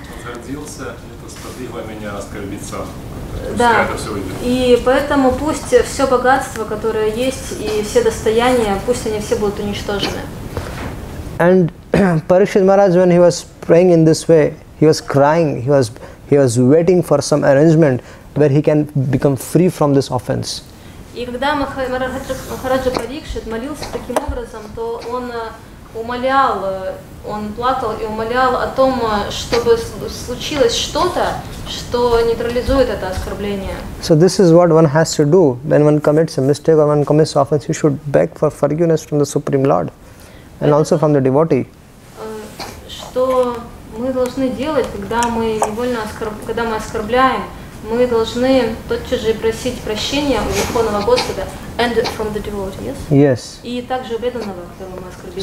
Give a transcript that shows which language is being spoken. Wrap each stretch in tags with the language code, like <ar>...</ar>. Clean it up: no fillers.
<ru>Возгордился, это сподвигло меня оскорбиться. Да, и поэтому пусть все богатство, которое есть, и все достояния, пусть они все будут уничтожены.</ru> <en>And Parikshit Maharaj, when he was praying in this way, he was crying, he was waiting for some arrangement where he can become free from this offense.</en> <ru>И когда Махараджа Парикшит молился таким образом, то он умолял, он плакал и умолял о том, чтобы случилось что-то, что нейтрализует это оскорбление.</ru> <en>So this is what one has to do when one commits a mistake or one commits offense. You should beg for forgiveness from the Supreme Lord and also from the devotee.</en> <ru>Что мы должны делать, когда мы невольно оскорбляем? Мы должны тотчас же просить прощения у Верховного Господа</ru> <en>and from the devotees. Yes.</en> <ru>И также у преданного, которого мы оскорбили.</ru>